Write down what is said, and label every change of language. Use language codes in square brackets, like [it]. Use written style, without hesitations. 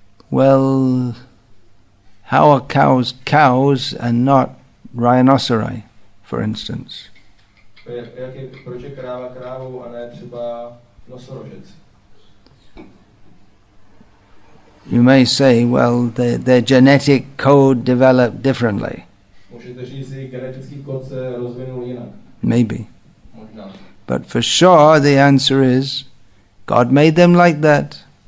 [en] Well, how are cows cows and not rhinoceri, for instance? [cs] Proč je kráva krávou a ne třeba nosorožec? [en] You may say, well, their genetic code developed differently. [cs] Můžete říct, že genetický kód se rozvinul jinak. [en] Maybe. [cs] Možná. [en] But for sure, the answer is, God made them like that.